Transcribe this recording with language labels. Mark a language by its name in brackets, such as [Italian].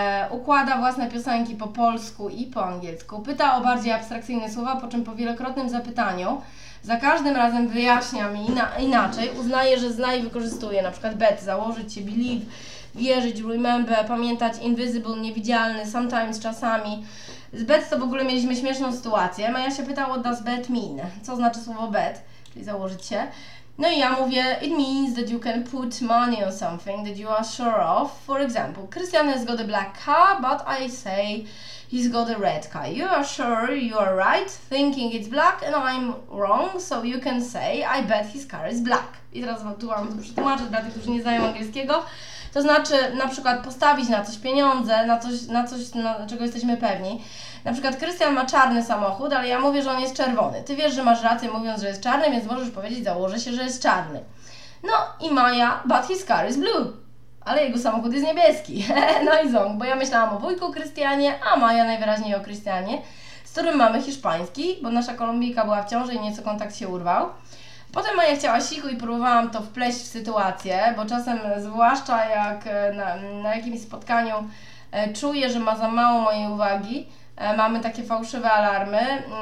[Polish] Układa własne piosenki po polsku i po angielsku. Pyta o bardziej abstrakcyjne słowa, po czym po wielokrotnym zapytaniu za każdym razem wyjaśnia mi inaczej, uznaje, że zna i wykorzystuje, na przykład bet, założyć się, believe, wierzyć, remember, pamiętać, invisible, niewidzialny, sometimes, czasami. Z bet to w ogóle mieliśmy śmieszną sytuację, Maja się pytała, [English] what does bet mean, [Polish] co znaczy słowo bet, czyli założyć się. No i ja mówię, [English] it means that you can put money on something that you are sure of. For example, Christian has got a black car, but I say he's got a red car. You are sure you are right, thinking it's black and I'm wrong, so you can say I bet his car is black. [Polish] I teraz tu mam przetłumaczyć dla tych, którzy nie znają angielskiego. To znaczy, na przykład postawić na coś pieniądze, na coś, na czego jesteśmy pewni. Na przykład Krystian ma czarny samochód, ale ja mówię, że on jest czerwony. Ty wiesz, że masz rację mówiąc, że jest czarny, więc możesz powiedzieć, założę się, że jest czarny. No i [English] Maja, but his car is blue. [Polish] Ale jego samochód jest niebieski. No i ząk, bo ja myślałam o wujku Krystianie, a Maja najwyraźniej o Krystianie, z którym mamy hiszpański, bo nasza Kolumbijka była w ciąży i nieco kontakt się urwał. Potem Maja chciała siku i próbowałam to wpleść w sytuację, bo czasem, zwłaszcza jak na jakimś spotkaniu czuję, że ma za mało mojej uwagi, mamy takie fałszywe alarmy.